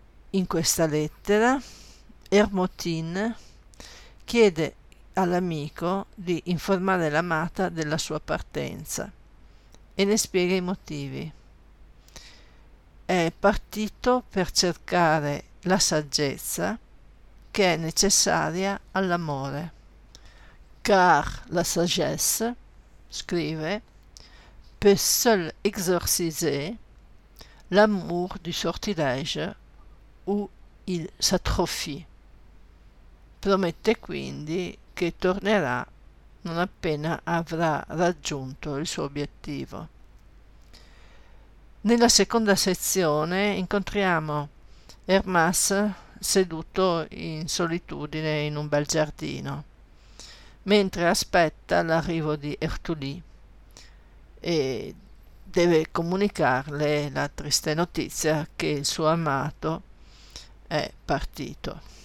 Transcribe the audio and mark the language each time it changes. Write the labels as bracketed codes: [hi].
[it] In questa lettera, Hermotine chiede all'amico di informare l'amata della sua partenza e ne spiega i motivi. È partito per cercare la saggezza che è necessaria all'amore. [fr] Car la sagesse, [it] scrive, [fr] peut seul exorciser l'amour du sortilège où il s'atrophie. [it] Promette quindi che tornerà non appena avrà raggiunto il suo obiettivo. Nella seconda sezione incontriamo Hermas seduto in solitudine in un bel giardino, mentre aspetta l'arrivo di Hercule e deve comunicarle la triste notizia che il suo amato è partito.